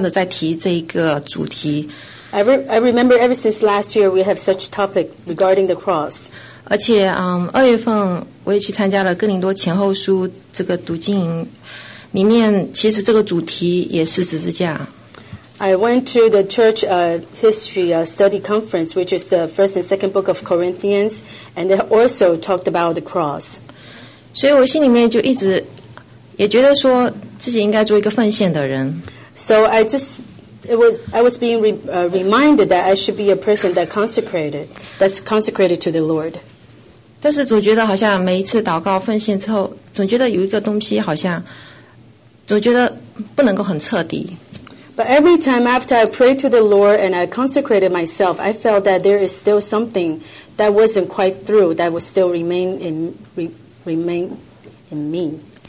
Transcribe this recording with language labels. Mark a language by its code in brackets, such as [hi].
[zh] 其实我记得好像我们就说我们教会就是从去年开始一直不断的在提这一个主题。 [en] I remember ever since last year we have such topic regarding the cross. [zh] 而且二月份我也去参加了哥林多前后书这个读经营，里面其实这个主题也是十字架。 [en] I went to the church history study conference, which is the first and second book of Corinthians, and they also talked about the cross. [zh] 所以我心里面就一直也觉得说自己应该做一个奉献的人。 [en] So I was being reminded that I should be a person that's consecrated to the Lord. [zh] 但是总觉得好像每一次祷告奉献之后，总觉得有一个东西好像总觉得不能够很彻底。 [en] But every time after I prayed to the Lord and I consecrated myself, I felt that there is still something that wasn't quite through, that would still remain in me.